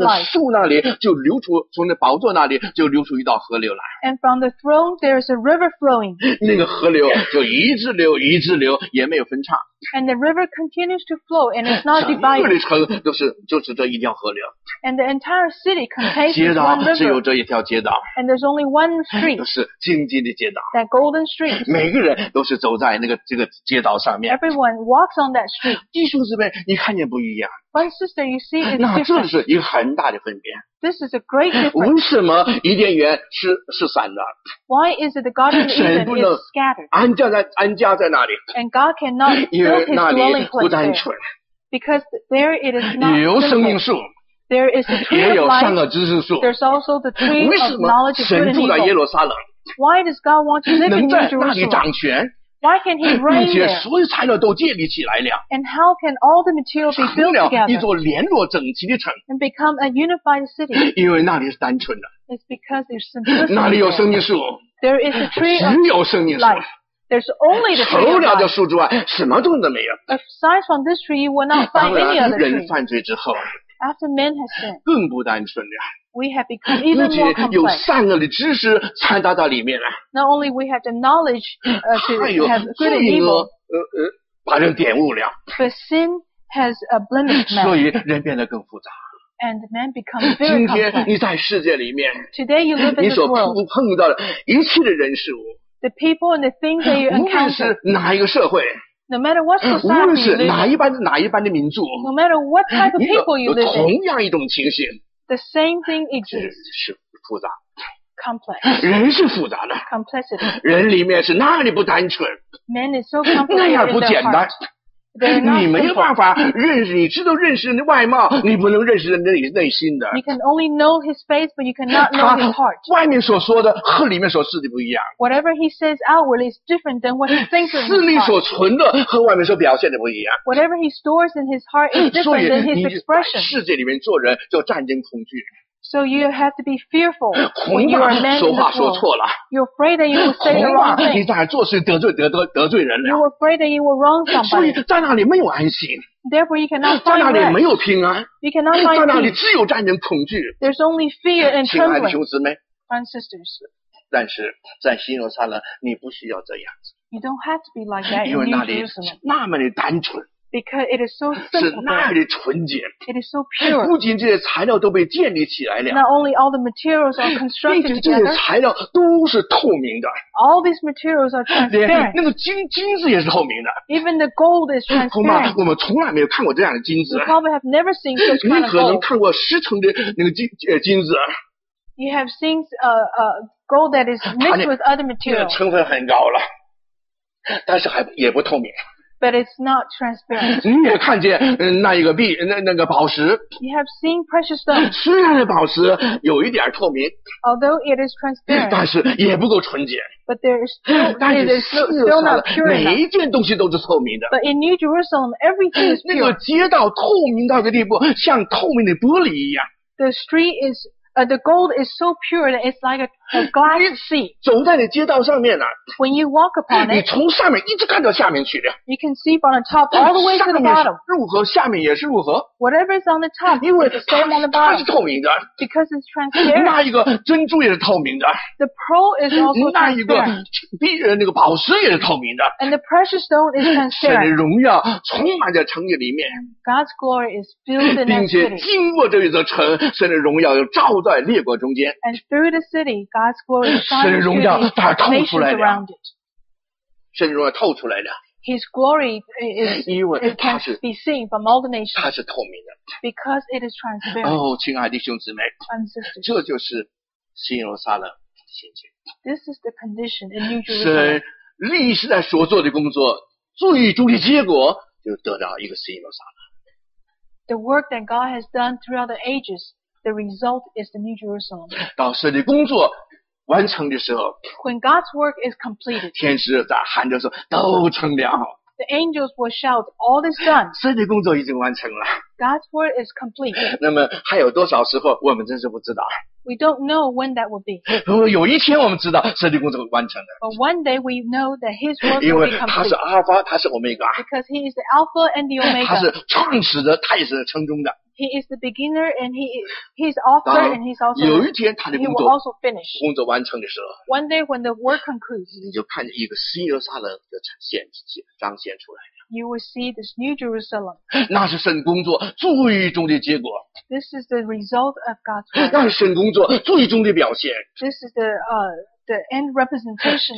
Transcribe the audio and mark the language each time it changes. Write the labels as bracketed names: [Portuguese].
[Chinese] 从那个树那里就流出，从那宝座那里就流出一道河流来。 [English] And from the throne there is a river flowing. [Chinese] 那个河流就一直流，一直流，也没有分岔。 [English] And the river continues to flow and it's not divided. [Chinese] 整个的城就是这一条河流。 [English] And the entire city contains one river. [Chinese] 街道只有这一条街道。 [English] And there's only one street. [Chinese] 都是荆棘的街道。 [English] That golden street. [Chinese] 每个人都是走在那个这个街道上面。 [English] Everyone walks on that street. [Chinese] 弟兄姊妹，你看见不一样？ [English] But sister, you see it's different. [Chinese] 那这是一个很大的分别。 [English] This is a great difference. [Chinese] 为什么伊甸园是散的？ [English] Why is it the Garden of Eden is scattered? [Chinese] 安家在那里。 [English] And God cannot build his dwelling place there. [Chinese] 因为那里不单纯。 [English] Because there it is not. [Chinese] 也有生命树。 [English] There is the tree of life. [Chinese] 也有善恶知识树。 [English] There's also the tree of knowledge of good and evil. [Chinese] 为什么神住在耶路撒冷？ [English] Why does God want to live in New Jerusalem? [Chinese] 能在那里掌权。 [English] Why can he reign there? [Chinese] 并且所有材料都建立起来了。 [English] And how can all the material be built together? [Chinese] 成了一座联络整齐的城。 [English] And become a unified city. [Chinese] 因为那里是单纯的。 [English] It's because there's simplicity. [Chinese] 那里有生命树。 [English] There is a tree of life. [Chinese] 只有生命树。 [English] There's only the tree of life. [Chinese] 除了这树之外，什么种都没有。 [English] Aside from this tree, you will not find any other tree. [Chinese] 当然，人犯罪之后。 [English] After men have sinned. [Chinese] 更不单纯了。 [English] We have become even more complex. [Chinese] 自己有善恶的知识掺杂到里面了。 [English] Not only we have the knowledge to have good and evil. [Chinese] 还有罪恶把人玷污了。 [English] But sin has a blemish man. [Chinese] 所以人变得更复杂。 [English] And men become very complex. [Chinese] 今天你在世界里面。 [English] Today you live in this world. [Chinese] 你所碰到的一切的人事物。 [English] The people and the things that you encounter. [Chinese] 无论是哪一个社会。 [English] No matter what society you live in. [Chinese] 无论是哪一般的民族。 [English] No matter what type of people you live in. [Chinese] 有同样一种情形。 [English] The same thing exists. [Chinese] 是复杂。 [English] Complex. [Chinese] 人是复杂的。 [English] Complexity. [Chinese] 人里面是那里不单纯。 [English] Men is so complicated. [Chinese] 那样不简单。你没办法认识，你知道认识人的外貌，你不能认识人的内心的。 [English] You can only know his face, but you cannot know his heart. [Chinese] 他外面所说的和里面所示的不一样。 [English] Whatever he says outwardly is different than what he thinks in his heart. [Chinese] 心里所存的和外面所表现的不一样。 [English] Whatever he stores in his heart is different than his expression. [Chinese] 所以你在世界里面做人就战惊恐惧。 [English] So you have to be fearful when you are a man in the world. [Chinese] 说错了。 [English] You're afraid that you will say the wrong thing. [Chinese] 你在做事得罪人了。 [English] You're afraid that you will wrong somebody. [Chinese] 所以在那里没有安心。 [English] Therefore you cannot find rest. [Chinese] 在那里没有平安。 [English] You cannot find peace. [Chinese] 在那里只有战争恐惧。 [English] There's only fear and trembling. [Chinese] 亲爱的兄姊妹。 [English] Friends, sisters. [Chinese] 但是在新约上呢，你不需要这样子。 [English] You don't have to be like that in New [Chinese] Jerusalem. 因为那里那么的单纯。 [English] Because it is so simple. [Chinese] 是那里纯洁。 [English] It is so pure. [Chinese] 不仅这些材料都被建立起来了。 [English] Not only all the materials are constructed together. [Chinese] 并且这些材料都是透明的。 [English] All these materials are transparent. [Chinese] 那个金子也是透明的。 [English] Even the gold is transparent. [Chinese] 恐怕我们从来没有看过这样的金子。 [English] You probably have never seen such kind of gold. [Chinese] 你可能看过十成的那个金子。 [English] You have seen gold that is mixed with other materials. [Chinese] 那成分很高了，但是还也不透明。 [English] But it's not transparent. [Chinese] 你也看见那一个币，那个宝石。 [English] You have seen precious stones. [Chinese] 虽然那宝石有一点透明。 [English] Although it is transparent. [Chinese] 但是也不够纯洁。 [English] But there is still not pure. [Chinese] 每一件东西都是透明的。 [English] But in New Jerusalem, everything is pure. [Chinese] 那个街道透明到一个地步，像透明的玻璃一样。 [English] The street is the gold is so pure that it's like a glass sea. [Chinese] 走在你街道上面呢、啊、 [English] When you walk upon it, [Chinese] 你从上面一直看到下面去的。 [English] You can see from the top all the way to the bottom. [Chinese] 入河下面也是入河。 [English] Whatever is on the top, it's the same on the bottom. [Chinese] 它是透明的。 [English] Because it's transparent. [Chinese] 那一个珍珠也是透明的。 [English] The pearl is also transparent. [Chinese] 那一个那个宝石也是透明的。 [English] And the precious stone is transparent. [Chinese] 神的荣耀充满在城里面。 [English] God's glory is filled in the city. [Chinese] 并且经过这一座城，神的荣耀又照在列国中间。 [English] And through the city, God's glory shines through around it. [Chinese] 神的荣耀反而透出来了。神的荣耀透出来了。 [English] His glory can be seen from all the nations. [Chinese] 它是透明的。 [English] Because it is transparent. [Chinese] 哦，亲爱的弟兄姊妹，这就是新耶路撒冷的心情。 [English] This is the condition in New Jerusalem. [Chinese] 神历世在所做的工作，最终的结果就得到一个新耶路撒冷。 [English] The work that God has done throughout the ages, the result is the New Jerusalem. [Chinese] 当神的工作完成的时候， [English] When God's work is completed, [Chinese] 天使在喊着说都成了。 [English] The angels will shout, "All is done." [Chinese] 神的工作已经完成了。 [English] God's work is complete. [Chinese] 那么还有多少时候，我们真是不知道。 [English] We don't know when that will be. [Chinese] 有一天我们知道神的工作完成了。 [English] But one day we know that His work will be complete. [Chinese] 因为他是阿尔法，他是 Omega。 [English] Because He is the Alpha and the Omega. [Chinese] 他是创始的，他也是成终的。 [English] He is the beginner and he's author and he's also. [Chinese] 有一天他的工作 [English] he will also finish. [Chinese] 工作完成的时候。 [English] One day when the work concludes. [Chinese] 你就看见一个新耶路撒冷的彰显出来。 [English] You will see this New Jerusalem. [Chinese] 那是神工作最终的结果。 [English] This is the result of God's work. [Chinese] 那是神工作最终的表现。 [English] This is the end representation of God's